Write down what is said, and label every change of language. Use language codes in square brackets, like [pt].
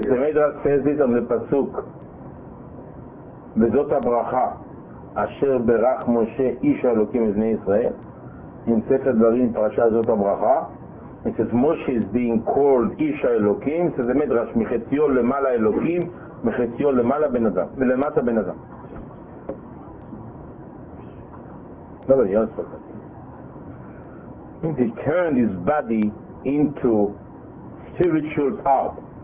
[en] The Midrash says this on the Pasuk. [he] וזאת הברכה אשר ברך משה איש אלוקים בני ישראל. In ספר דברים פרשה זאת הברכה. [en] It says Moshe is being called איש אלוקים. It says the Midrash, [he] מחציו למעלה אלוקים, מחציו למעלה בן אדם, ולמטה בן אדם. [en] Nobody else for that. He turned his body into spiritual part.